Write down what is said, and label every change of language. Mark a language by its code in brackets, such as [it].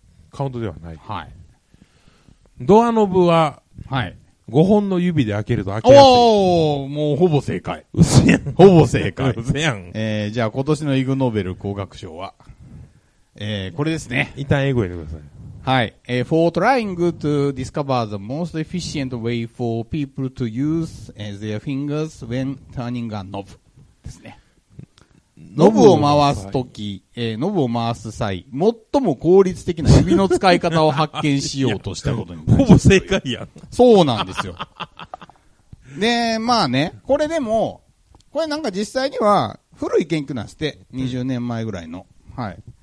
[ja] カウントではない、はい、ドアノブは、はい、 5本の指で開けると開けやすい。おーもうほぼ正解。うせやん。ほぼ正解。うせやん。じゃあ今年のイグノーベル工学賞は、これですね。一旦英語入れてください。はい。 [en] For trying to discover the most efficient way for people to use their fingers when turning a knob [ja] ですね。ノブを回すとき、ノブを回す際、最も効率的な指の使い方を発見しようとしたことに。ほぼ正解やん。そうなんですよ。で、まあね、これでも、これなんか実際には古い研究なんですって、20年前ぐらいの。はい。